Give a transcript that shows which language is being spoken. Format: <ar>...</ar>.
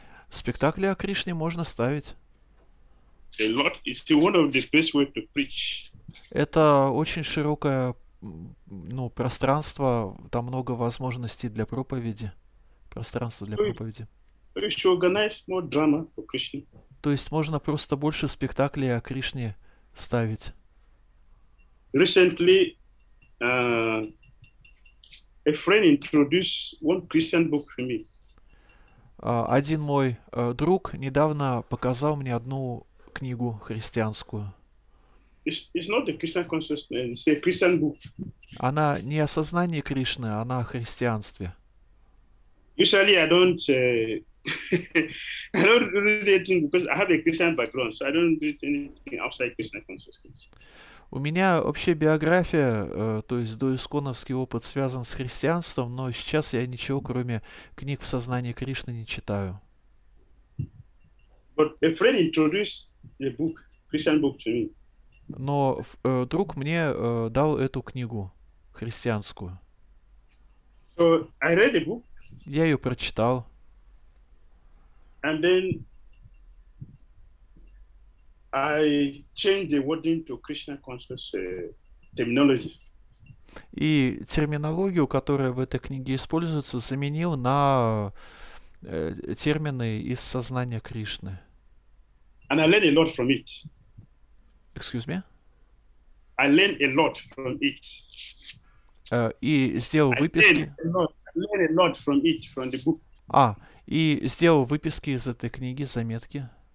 <ru>Спектакли о Кришне можно ставить.</ru> <en>A lot. It's the one of the best way to preach.</en> <ru>Это очень широкое, ну, пространство, там много возможностей для проповеди. Пространство для проповеди. То есть можно просто больше спектаклей о Кришне ставить.</ru> <en>Recently, a friend introduced one Christian book for me.</en> <ru>Один мой друг недавно показал мне одну книгу христианскую.</ru> <en>It's not the Christian consciousness, it's a Christian book.</en> <ru>Она не о сознании Кришны, она о христианстве.</ru> <en>Usually I don't read anything because I have a Christian background, so I don't read anything outside Christian consciousness.</en> <ru>У меня вообще биография, то есть доисконовский опыт связан с христианством, но сейчас я ничего, кроме книг в сознании Кришны, не читаю.</ru> <en>But a friend introduced a book, Christian book to me.</en> <ru>Но друг мне дал эту книгу христианскую.</ru> <en>So I read the book.</en> <ru>Я ее прочитал.</ru> <en>And then I changed the wording to Krishna consciousness terminology.</en> <ru>И терминологию, которая в этой книге используется, заменил на термины из сознания Кришны.</ru> <en>And I learned a lot from it. Excuse me? I learned a lot from it.</en> <ru>И сделал выписки.</ru> <en>I learned a lot from it, from the book.</en> <ru>А, и сделал выписки из этой книги, заметки.</ru>